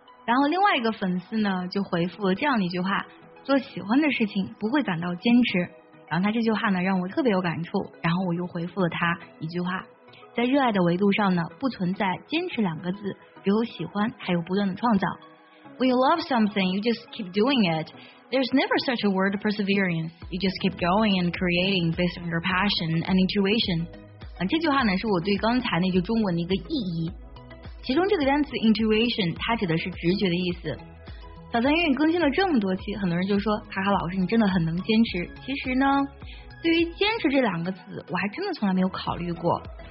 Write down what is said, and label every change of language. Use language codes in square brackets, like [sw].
[zh] 然后另外一个粉丝呢就回复了这样一句话，做喜欢的事情不会感到坚持。然后他这句话呢让我特别有感触，然后我又回复了他一句话，在热爱的维度上呢，不存在坚持两个字，只有喜欢还有不断的创造。 [en] When you love something, you just keep doing it. There's never such a word perseverance. You just keep going and creating based on your passion and intuition. [zh] 这句话呢是我对刚才那句中文的一个意义。其中这个单词 intuition 它指的是直觉的意思。小三英语更新了这么多期，很多人就说，卡卡老师你真的很能坚持。其实呢，对于坚持这两个字，我还真的从来没有考虑过。